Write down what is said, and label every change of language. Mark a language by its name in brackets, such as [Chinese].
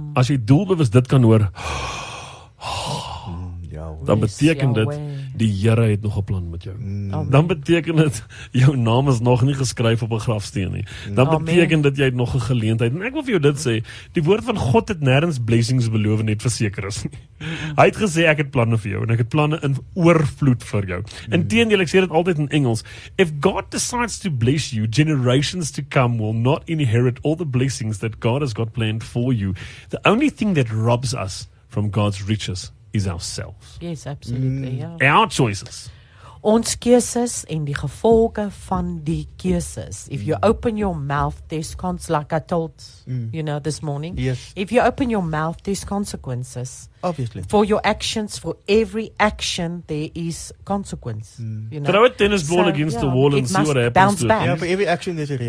[Afrikaans] As jy doelbewus dit kan hoor, dan beteken dit, die Here het nog 'n plan met jou. Amen. Dan beteken dit, jou naam is nog nie geskryf op 'n grafsteen nie. Dan beteken dit, jy het nog 'n geleentheid. En ek wil vir jou dit sê, die woord van God het nêrens blessings beloof net verseker is nie. Hy het gesê, ek het planne vir jou, en ek het planne in oorvloed vir jou. Inteendeel, ek sê dit altyd in Engels, [English] if God decides to bless you, generations to come will not inherit all the blessings that God has got planned for you. The only thing that robs us from God's riches is ourselves. Yes, absolutely. Our choices. [Afrikaans] ons keuses en die gevolge van die keuses. [English] If you open your mouth, there's consequences, like I told you know this morning. Yes. If you open your mouth, there's consequences. Obviously. For your actions, for every action, there is consequence. Mm. You know? Throw a tennis ball against the wall and see what happens. Bounce back. Yeah, for every action, there's a reaction.